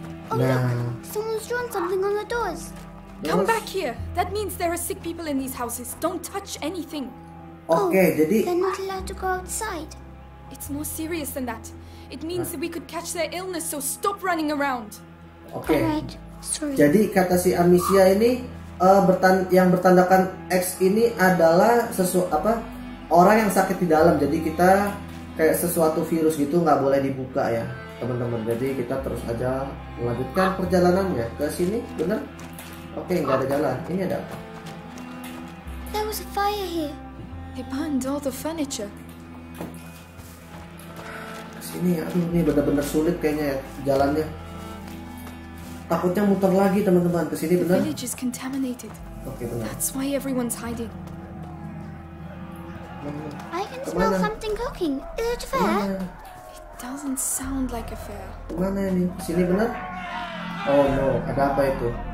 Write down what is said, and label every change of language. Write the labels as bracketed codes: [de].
[en] Oh, nah, someone's drawn something on the doors. Come back here. That means there are sick people in these houses. Don't touch anything. Okay, oh, [id] jadi [en] they're not allowed to go outside. It's more serious than that. It means that we could catch their illness, so stop running around. Okay. Alright, sorry. [id] Jadi kata si Amicia ini yang bertandakan X ini adalah orang yang sakit di dalam. Jadi kita kayak sesuatu virus gitu, enggak boleh dibuka ya, teman-teman. Jadi kita terus aja melanjutkan perjalanan ya ke sini, benar? Okay, enggak ada jalan. Ini ada apa? [en] There was a fire here. They burned all the furniture. [id] Sini ya, ini benar-benar sulit kayaknya ya jalannya. Takutnya muter lagi, teman-teman. Ke sini benar. [en] The village is contaminated. [id] Okay, benar. [en] That's why everyone's hiding. I can smell something cooking. Is it fair? It doesn't sound like a fair. [id] Mana ini? Sini benar? Oh no, ada apa itu?